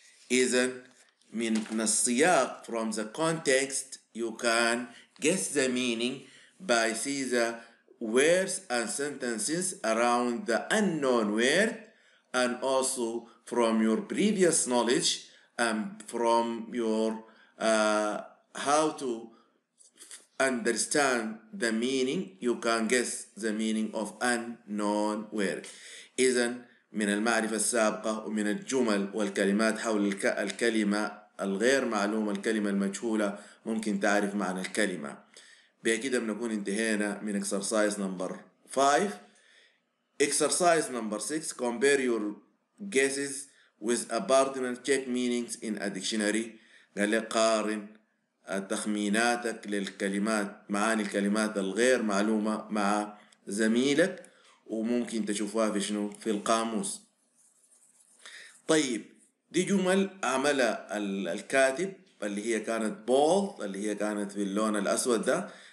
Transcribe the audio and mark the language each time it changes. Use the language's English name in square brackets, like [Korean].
[English] isn't [Arabic] من السياق, [English] from the context you can guess the meaning by see the words and sentences around the unknown word, and also from your previous knowledge and from your how to understand the meaning, you can guess the meaning of unknown word. [Arabic] إذن من المعرفة السابقة ومن الجمل والكلمات حول الكلمة الغير معلومة, الكلمة المجهولة, ممكن تعرف معنى الكلمة. بكده بنكون انتهينا من [English] exercise number 5. exercise number 6, compare your guesses with a pertinent check meanings in a dictionary. [Arabic] قال لي قارن تخميناتك للكلمات, معاني الكلمات الغير معلومة مع زميلك, وممكن تشوفها في شنو؟ في القاموس. طيب دي جمل عملها الكاتب اللي هي كانت bold, اللي هي كانت في اللون الأسود ده.